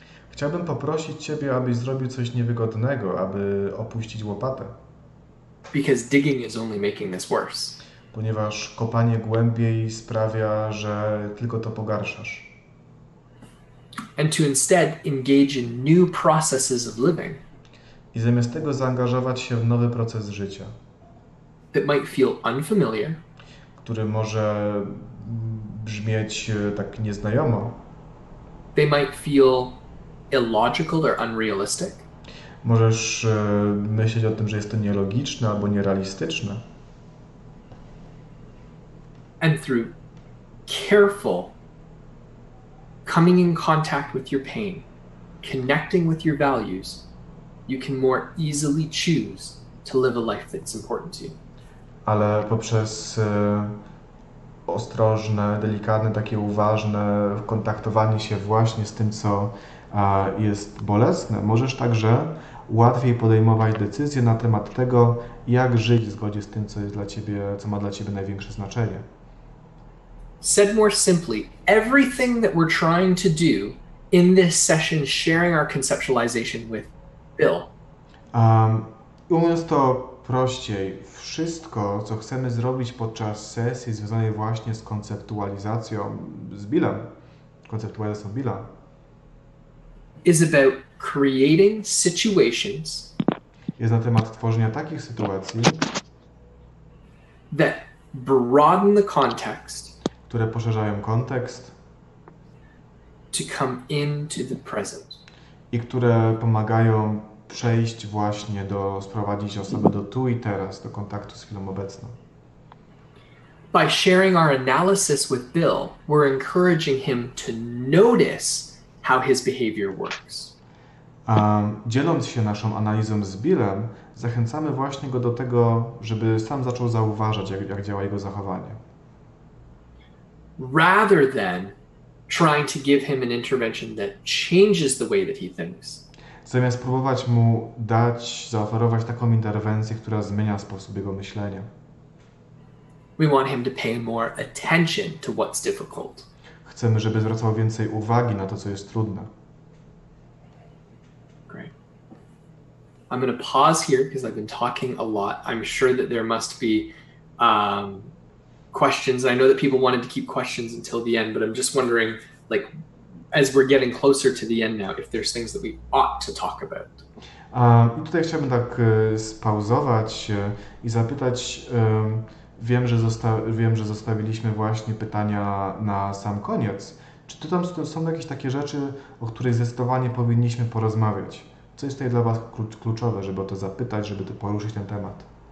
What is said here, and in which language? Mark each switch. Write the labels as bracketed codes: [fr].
[pl] Chciałbym poprosić ciebie, abyś zrobił coś niewygodnego, aby opuścić łopatę. [en] Because digging is only making this worse. [pl] Ponieważ kopanie głębiej sprawia, że tylko to pogarszasz. [en] And to instead engage in new processes of living. [pl] I zamiast tego zaangażować się w nowy proces życia. [en] That might feel unfamiliar. [pl] Który może brzmieć tak nieznajomo. [en] They might feel illogical or unrealistic. [pl] Możesz myśleć o tym, że jest to nielogiczne albo nierealistyczne. [en] And through careful coming in contact with your pain, connecting with your values, you can more easily choose to live a life that's important to you. [pl] Ale poprzez ostrożne, delikatne, takie uważne kontaktowanie się właśnie z tym, co jest bolesne, możesz także łatwiej podejmować decyzje na temat tego, jak żyć w zgodzie z tym, co jest dla ciebie, co ma dla ciebie największe znaczenie. [en] Said more simply, everything that we're trying to do in this session, sharing our conceptualization with Bill. [pl] Mówiąc to prościej, wszystko, co chcemy zrobić podczas sesji związanej właśnie z konceptualizacją z Billem, konceptualizacją Billa, [en] is about creating situations, [pl] jest na temat tworzenia takich sytuacji, [en] that broaden the context, [pl] które poszerzają kontekst, [en] to come into the present, [pl] i które pomagają przejść właśnie do, sprowadzić osobę do tu i teraz, do kontaktu z chwilą obecną. [en] By sharing our analysis with Bill, we're encouraging him to notice how his behavior works. [pl] Dzieląc się naszą analizą z Billem, zachęcamy właśnie go do tego, żeby sam zaczął zauważać, jak działa jego zachowanie. [en] Rather than trying to give him an intervention that changes the way that he thinks. [pl] Zamiast próbować mu dać, zaoferować taką interwencję, która zmienia sposób jego myślenia. [en] We want him to pay more attention to what's difficult. [pl] Chcemy, żeby zwracał więcej uwagi na to, co jest trudne. [en] Great. I'm going to pause here because I've been talking a lot. I'm sure that there must be questions. I know that people wanted to keep questions until the end, but I'm just wondering, like, as we're getting closer to the end now, if there's things that we ought to talk about. [pl] I tutaj chciałbym tak spauzować i zapytać. Wiem, że zostawiliśmy właśnie pytania na sam koniec. Czy tu tam są jakieś takie rzeczy, o których zdecydowanie powinniśmy porozmawiać? Co jest tutaj dla was kluczowe, żeby o to zapytać, żeby to poruszyć ten temat?